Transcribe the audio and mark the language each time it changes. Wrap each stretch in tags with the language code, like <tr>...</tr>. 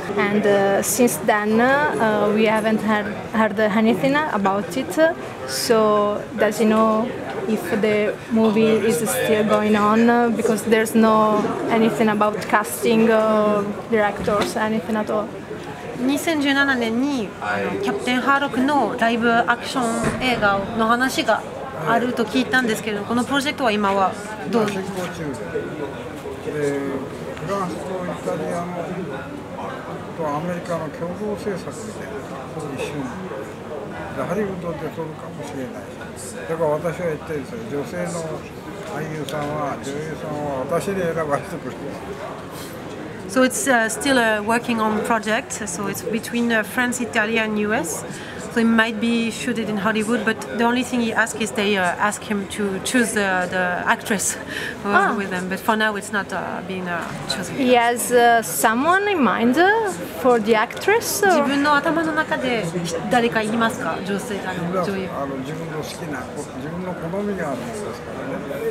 <en>And since then, we haven't heard anything about it. So, does he know if the movie is still going on? Because there's no anything about casting or directors, anything at all.</en> <ja>2017年にキャプテンハーロックのライブアクション映画の話があると聞いたんですけれども、このプロジェクトは今はどうですか？フランスとイタリアのとアメリカの共同制作で、ここに収入で、ハリウッドで撮るかもしれない。だから私は言ってるんですよ、女性の俳優さんは、女優さんは私で選ばれてくる。</ja> <en>So it's still a working on project, so it's between France, Italy and US. So it might be shooted in Hollywood, but the only thing he asks is they ask him to choose the actress who is with him. But for now it's not being chosen. He has someone in mind for the actress?</en> <ja>自分の頭の中で誰かいますか？女性あの女優。自分の好きな、自分の好みがあるんですからね。</ja>